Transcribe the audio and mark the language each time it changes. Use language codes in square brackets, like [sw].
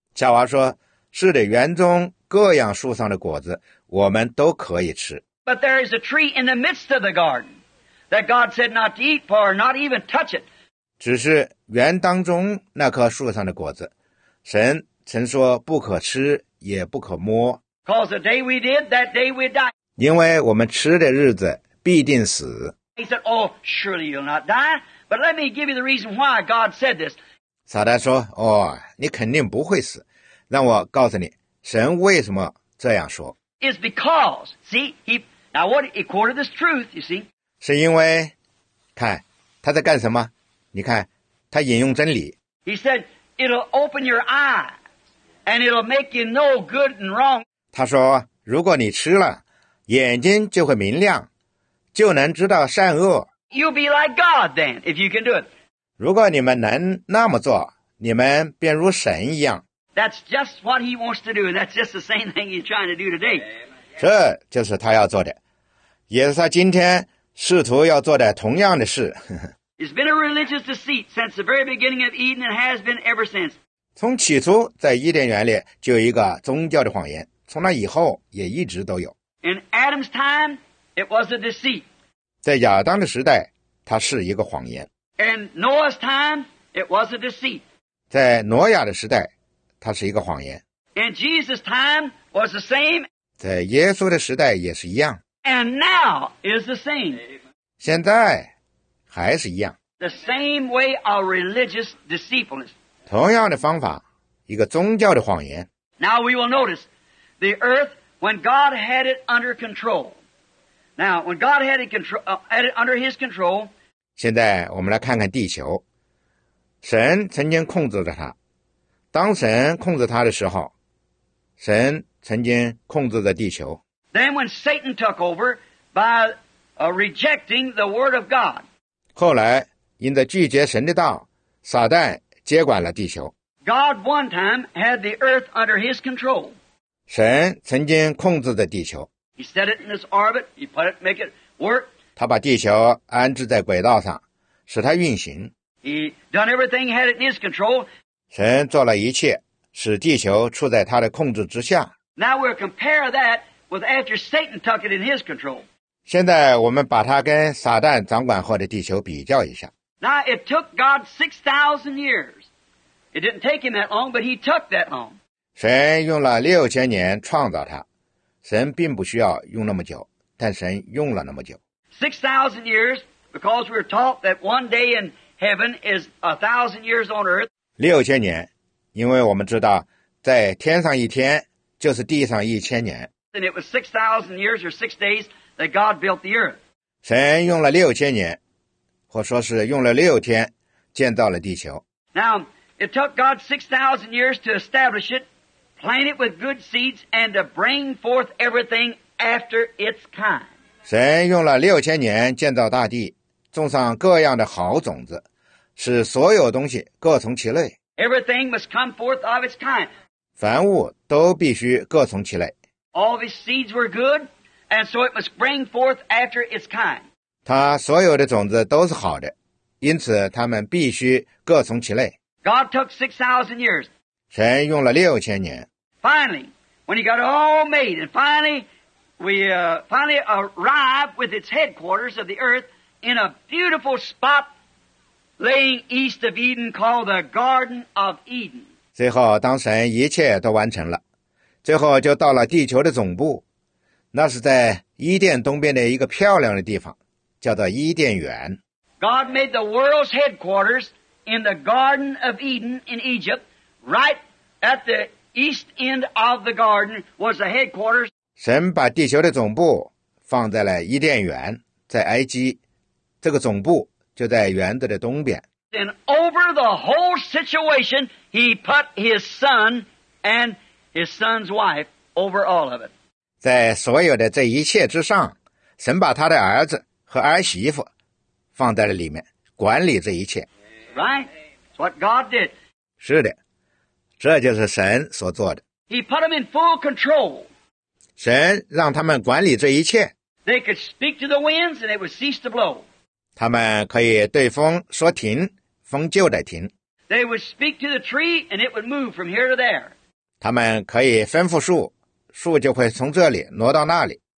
[zh] 夏娃说，是的，园中各样树上的果子我们都可以吃。 [en] But there is a tree in the midst of the garden that God said not to eat for, not even touch it. [zh] 只是园当中那棵树上的果子，神曾说不可吃也不可摸。 [en] Because the day we did, that day we die. [zh] 因为我们吃的日子必定死。 [en] He said, oh, surely you'll not die, but let me give you the reason why God said this. [zh] 撒旦说，哦，你肯定不会死，让我告诉你神为什么这样说。 [en] It's because, see, he, now what, he quoted this truth, you see. [zh] 是因为，看，他在干什么？你看，他引用真理。 [en] He said, it'll open your eyes, and it'll make you know good and wrong. [zh] 他说，如果你吃了，眼睛就会明亮，就能知道善恶。 [en] You'll be like God then, if you can do it. [zh] 如果你们能那么做，你们便如神一样。 [en] That's just what he wants to do, and that's just the same thing he's trying to do today. [zh] 这就是他要做的，也是他今天试图要做的同样的事。 [en] It's been a religious deceit since the very beginning of Eden, and has been ever since. [zh] 从起初在伊甸园里就有一个宗教的谎言，从那以后也一直都有。 [en] In Adam's time, it was a deceit. [zh] 在亚当的时代，它是一个谎言。 [en] In Noah's time, it was a deceit. [zh] 在挪亚的时代，它是一个谎言。 [en] And Jesus' time was the same. [zh] 在耶稣的时代也是一样。 [en] And now is the same. [zh] 现在还是一样。 [en] The same way of religious deceitfulness. [zh] 同样的方法，一个宗教的谎言。 [en] Now we will notice the earth when God had it under control. Now, when God had it, had it under His control. [zh] 现在我们来看看地球。神曾经控制着它。当神控制它的时候，神曾经控制着地球。 [en] Then when Satan took over by rejecting the word of God. [zh] 后来因着拒绝神的道，撒旦接管了地球。 [en] God one time had the earth under His control. [zh] 神曾经控制着地球。 [en] He set it in its orbit. He put it, make it work. [zh] 他把地球安置在轨道上，使它运行。 [en] He done everything, had it in His control. [zh] 神做了一切，使地球处在他的控制之下。 [en] Now we'll compare that with after Satan took it in His control. [zh] 现在我们把它跟撒旦掌管后的地球比较一下。 [en] Now it took God 6,000 years. It didn't take Him that long, but He took that long. [zh] 神用了6000年创造它。神并不需要用那么久，但神用了那么久。 [en] 6,000 years, because we're taught that one day in heaven is 1,000 years on earth. [zh] 六千年，因为我们知道，在天上一天就是地上一千年。 [en] And it was 6,000 years or 6 days that God built the earth. [zh] 神用了六千年，或说是用了六天建造了地球。 [en] Now it took God 6,000 years to establish it. Plant it with good seeds and to bring forth everything after its kind. [zh] 神用了六千年建造大地，种上各样的好种子，使所有东西各从其类。 [en] Everything must come forth of its kind. [zh] 凡物都必须各从其类。 [en] All of his seeds were good, and so it must bring forth after its kind. [zh] 他所有的种子都是好的，因此他们必须各从其类。 [en] God took 6,000 years. [zh] 神用了六千年。 [en] Finally, when he got all made, and finally, finally arrived with its headquarters of the earth in a beautiful spot laying east of Eden called the Garden of Eden. [zh] 最后，当神一切都完成了，最后就到了地球的总部，那是在伊甸东边的一个漂亮的地方，叫做伊甸园。 [en] God made the world's headquarters in the Garden of Eden in Egypt. Right at the east end of the garden was the headquarters. [zh] 神把地球的总部放在了伊甸园，在埃及，这个总部就在园子的东边。 [en] And over the whole situation, he put his son and his son's wife over all of it. [zh] 在所有的这一切之上，神把他的儿子和儿媳妇放在了里面，管理这一切。 [en] Right? That's what God did. [zh] 是的。这就是神所做的。 [en] He put them in full control. [zh] 神让他们管理这一切。 [en] They could speak to the winds and it would cease to blow. [zh] 他们可以对风说停，风就得停。 [en] They would speak to the tree and it would move from here to there. [zh] 他们可以吩咐树，树就会从这里挪到那里。